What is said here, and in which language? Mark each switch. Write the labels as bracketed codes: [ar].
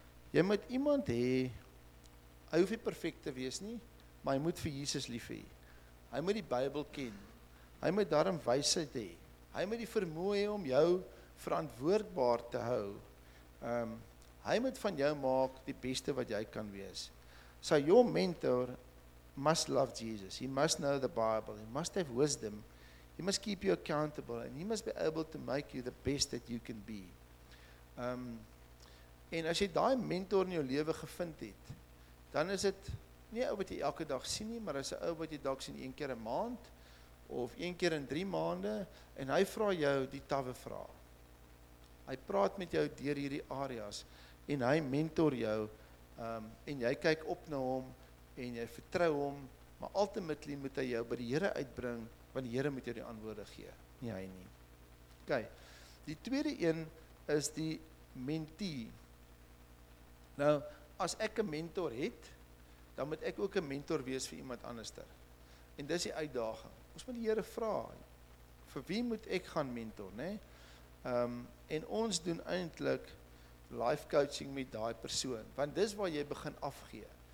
[af] Jy moet iemand hê, hy hoef nie perfect te wees nie, maar hy moet vir Jesus lief hê. Hy moet die Bybel ken, hy moet daarom wysheid hê, hy moet die vermoë hê om jou verantwoordbaar te hou. Hy moet van jou maak die beste wat jy kan wees. [en] So, your mentor must love Jesus, he must know the Bible, he must have wisdom. He must keep you accountable and he must be able to make you the best that you can be. [af] En as jy daai mentor in jou lewe gevind het, dan is dit nie 'n ou wat jy elke dag sien nie, maar is 'n ou wat jy dalk sien een keer 'n maand of een keer in 3 maande en hy vra jou die tawe vrae. Hy praat met jou deur hierdie areas en hy mentor jou en jy kyk op na hom en jy vertrou hom, maar ultimately moet hy jou by die Here uitbring want die Here moet jou die antwoorde gee, nie hy nie. OK. Die tweede een is die mentee. Nou, as ek 'n mentor het, dan moet ek ook 'n mentor wees vir iemand anderster. En dis die uitdaging. Ons moet die Here vra, vir wie moet ek gaan mentor, né? En ons doen eintlik life coaching met daai persoon, want dis waar jy begin afgee.